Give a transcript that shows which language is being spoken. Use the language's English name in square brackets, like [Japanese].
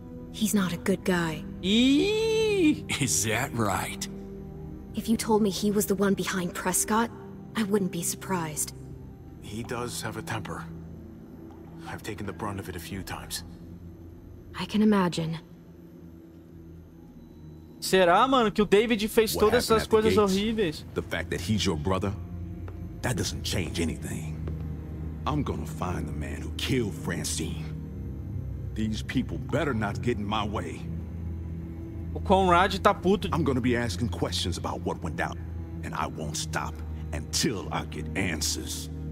[English] He's not a good guy. Is that right? If you told me he was the one behind Prescott, I wouldn't be surprised. He does have a temper. I've taken the brunt of it a few times. I can imagine. [Portuguese] Será, mano, que o David fez todas essas coisas horríveis? [English] The fact that he's your brother, that doesn't change anything. I'm gonna find the man who killed Francine. These people better not get in my way. [Portuguese] O Conrad tá puto. [English] I'm gonna be asking questions about what went down, and I won't stop until I get answers.